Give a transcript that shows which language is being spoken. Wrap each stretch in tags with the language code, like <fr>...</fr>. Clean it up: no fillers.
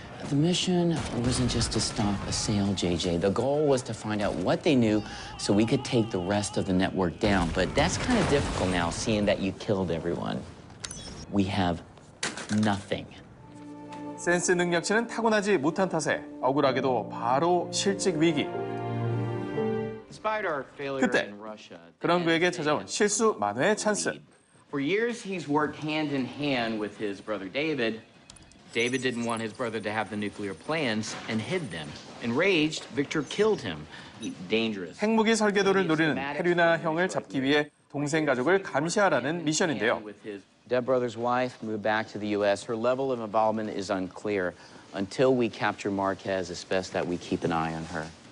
<en>The mission wasn't just to stop a sale, JJ. The goal was to find out what they knew so we could take the rest of the network down. But that's kind of difficult now, seeing that you killed everyone. We have nothing.</en> <ko>센스 능력치는 타고나지 못한 탓에 억울하게도 바로 실직 위기. 그때 그런 그에게 찾아온 실수 만회의 찬스.</ko> <en>For years he's worked hand in hand with his brother David. David didn't want his brother to have the nuclear plans and hid them. Enraged, Victor killed him. Dangerous.</en> <ko>핵무기 설계도를 노리는 해류나 형을 잡기 위해 동생 가족을 감시하라는 미션인데요.</ko> <en>Dead brother's wife moved back to the U.S. Her level of involvement is unclear. Until we capture Marquez, it's best that we keep an eye on her.</en>